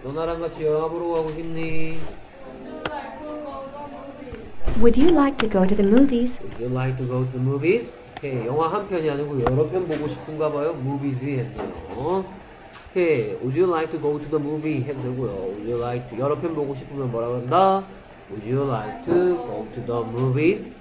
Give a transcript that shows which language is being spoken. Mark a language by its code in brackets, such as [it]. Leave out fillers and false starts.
[ko] 너 나랑 같이 영화 보러 가고 싶니? [en] Would you like to go to the movies? Would you like to go to the movies? [ko] 오케이, 영화 한 편이 아니고 여러 편 보고 싶은가 봐요. Movies 했네요. 오케이, [en] Would you like to go to the movie? [ko] 해도 되고요. [en] Would you like to [ko] 여러 편 보고 싶으면 뭐라고 한다? [en] Would you like to go to the movies?